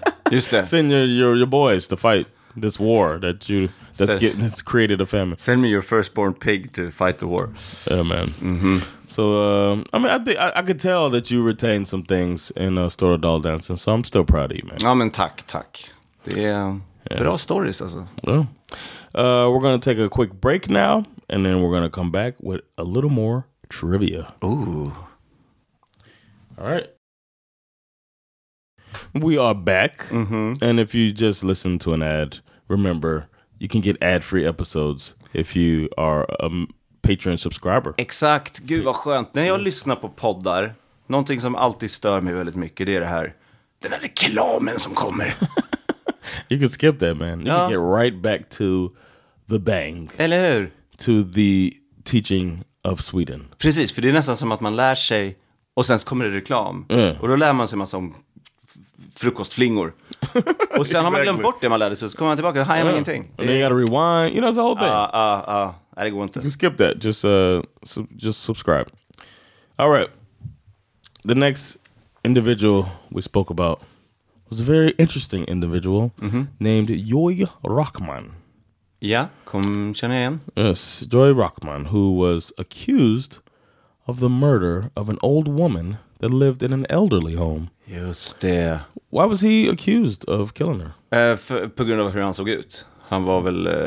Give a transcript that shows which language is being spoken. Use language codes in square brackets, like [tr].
[sv] Just det. [en] Send your boys to fight this war that's created a famine. Send me your firstborn pig to fight the war. Yeah, man. Mm-hmm. So, I mean, I could tell that you retained some things in Stora Doll Dancing, so I'm still proud of you, man. [sv] Ja, men tack. Det är bra stories, alltså. [en] Yeah. We're going to take a quick break now. And then we're going to come back with a little more trivia. Ooh. All right. We are back. Mm-hmm. And if you just listen to an ad, remember, you can get ad-free episodes if you are a Patreon subscriber. [sv] Exakt. Gud vad skönt. När jag lyssnar på poddar, någonting som alltid stör mig väldigt mycket, det är det här. Den här reklamen som kommer. [en] You can skip that, man. You can get right back to the bang. [sv] Eller hur? [en] To the teaching of Sweden. [sv] Precis, för det är nästan som att man lär sig och sen kommer det reklam. [en] Yeah. [sv] Och då lär man sig massa om frukostflingor. Och sen [en] exactly. [sv] Har man glömt bort det man lärde sig, så kommer man tillbaka och hajar ingenting. [en] And then you gotta rewind, you know, it's the whole thing. [sv] Det går inte. [en] You can skip that, just subscribe. All right. The next individual we spoke about was a very interesting individual named Joy Rockman. [sv] Yeah, kom känna igen. [en] Yes, Joy Rockman, who was accused of the murder of an old woman that lived in an elderly home. [sv] Just det. [en] Why was he accused of killing her? [sv] På grund av hur han såg ut. Han var väl...